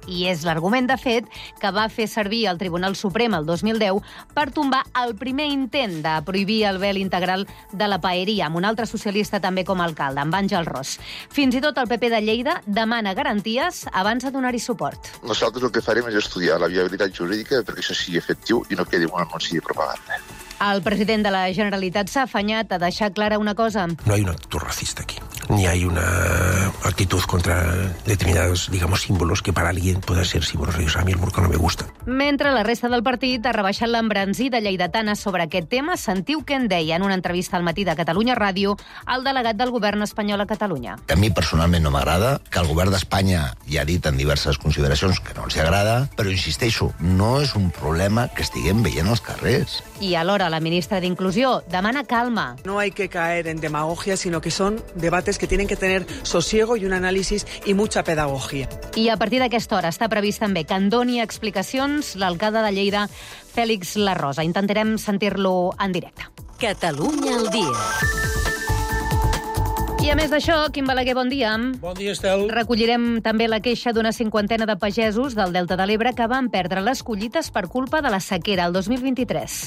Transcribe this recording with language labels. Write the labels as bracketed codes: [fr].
[ca] I és l'argument, de fet, que va fer servir el Tribunal Suprem el 2010 per tombar el primer intent de prohibir el vel integral de la paeria amb un altre socialista també com a alcalde, amb Àngel Ros. Fins i tot el PP de Lleida demana garanties abans de donar-hi suport. Nosaltres el que farem és estudiar la viabilitat jurídica perquè això sigui efectiu i no quedi un anunci de propaganda. El president de la Generalitat s'ha afanyat a deixar clara una cosa. [es] No hay un actitud racista aquí, ni hay una actitud contra determinados, digamos, símbolos que para alguien pueda ser símbolos religiosos. A mí el burka no me gusta. [ca] Mentre la resta del partit ha rebaixat l'embranzida lleidatana sobre aquest tema, sentiu què en deia en una entrevista al matí de Catalunya Ràdio el delegat del govern espanyol a Catalunya. A mi personalment no m'agrada que el govern d'Espanya ja ha dit en diverses consideracions que no els agrada, però insisteixo, no és un problema que estiguem veient als carrers. I alhora la ministra d'Inclusió demana calma. [es] No hay que caer en demagogia, sino que son debates que tienen que tener sosiego y un análisis y mucha pedagogía. [ca] I a partir d'aquesta hora està previst també que en doni explicacions l'alcalde de Lleida, Fèlix Larrosa. Intentarem sentir-lo en directe. Catalunya al dia. I a més d'això, Quim Balaguer, bon dia. Bon dia, Estel. Recollirem també la queixa d'una cinquantena de pagesos del Delta de l'Ebre que van perdre les collites per culpa de la sequera el 2023.